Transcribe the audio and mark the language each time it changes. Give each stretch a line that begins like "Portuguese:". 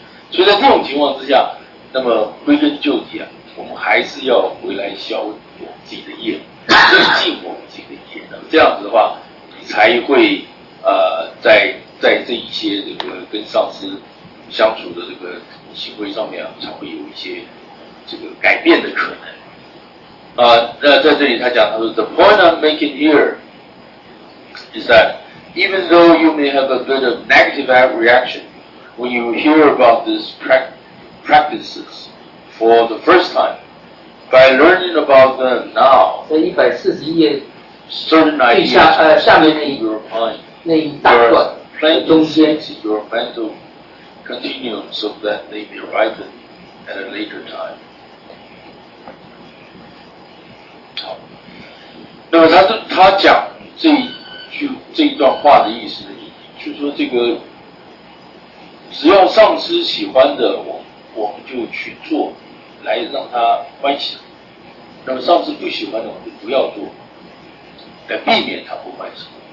Chinese: 所以在这种情况之下，那么归根究底啊，我们还是要回来消我们自己的业，增进我们自己的业。那么这样子的话，你才会在这一些这个跟上司相处的这个行为上面啊，才会有一些这个改变的可能啊。那在这里他讲，他说
English: The point I'm making here is that even though you may have a bit of negative reaction when you hear about these practices for the first time, by learning about them now,
Chinese: 这一百四十页
English: certain ideas
Chinese: 下面那一个
English: point
Chinese: 那一大段。
English: Plant seeds in your mental continuum so that they may ripen at a later time.
Chinese: 好，那么他讲这一段话的意思呢，就是说这个只要上司喜欢的，我们就去做，来让他欢喜；那么上司不喜欢的，我们就不要做，来避免他不欢喜。